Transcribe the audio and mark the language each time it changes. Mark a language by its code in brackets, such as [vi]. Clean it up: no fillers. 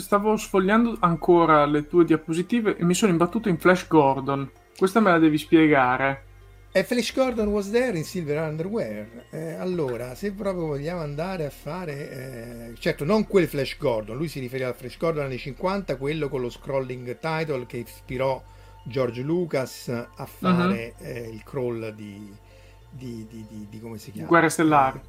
[it] stavo sfogliando ancora le tue diapositive e mi sono imbattuto in Flash Gordon. Questa me la devi spiegare. [en] E Flash Gordon was there in Silver Underwear. [it] Allora, se proprio vogliamo andare a fare. Certo, non quel Flash Gordon, lui si riferiva al Flash Gordon anni 50, quello con lo scrolling title che ispirò George Lucas a fare il crawl di come si chiama? Guerre Stellari.